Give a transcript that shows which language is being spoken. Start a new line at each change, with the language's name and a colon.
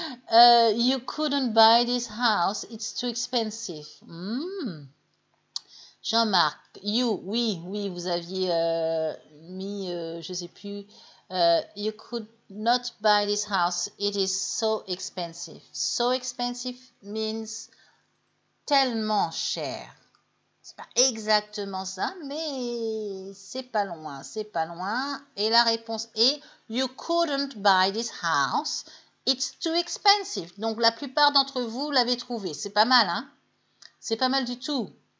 English: You couldn't buy this house, it's too expensive.
French: Jean-Marc, you, oui, vous aviez mis, je ne sais plus.
English: You could not buy this house, it is so expensive. So expensive means
French: tellement cher. C'est pas exactement ça, mais c'est pas loin, c'est pas loin. Et la réponse est
English: You couldn't buy this house, it's too expensive.
French: Donc la plupart d'entre vous l'avez trouvé. C'est pas mal, hein? C'est pas mal du tout.